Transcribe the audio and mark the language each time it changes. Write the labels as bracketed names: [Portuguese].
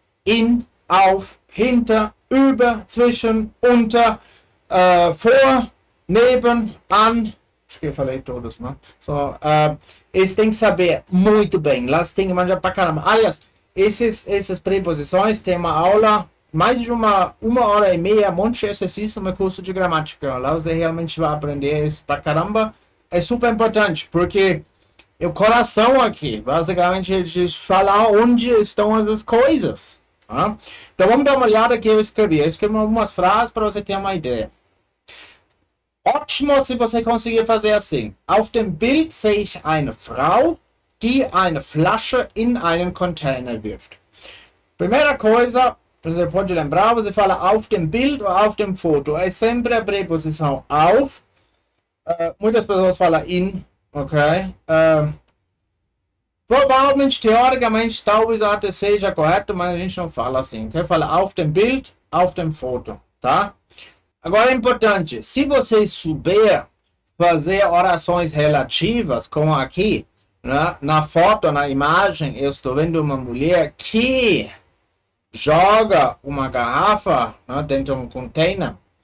[German] In, auf, hinter, über, zwischen, unter, vor, neben, an. [Portuguese] Acho que eu falei todos, né? Eles têm que saber muito bem. Lá tem que manjar pra caramba. Aliás, essas preposições tem uma aula, mais de uma hora e meia, um monte de exercício no meu curso de gramática. Lá você realmente vai aprender isso pra caramba. É super importante, porque é o coração aqui, basicamente, de falar onde estão essas coisas. Tá? Então vamos dar uma olhada aqui que eu escrevi. Eu escrevi algumas frases para você ter uma ideia. Ótimo se você conseguir fazer assim. [German] Auf dem Bild sehe ich eine Frau, die eine Flasche in einen Container wirft. [Portuguese] Primeira coisa, você pode lembrar, você fala [German] auf dem Bild [Portuguese] ou [German] auf dem Foto. [Portuguese] É sempre a preposição auf. Muitas pessoas falam in, ok? Provavelmente, teoricamente, talvez até seja correto, mas a gente não fala assim. Quer falar [German] auf dem Bild, auf dem Foto, [Portuguese] tá? Agora é importante, se você souber fazer orações relativas, como aqui, né? Na foto, na imagem, eu estou vendo uma mulher que joga uma garrafa, né, dentro de um container.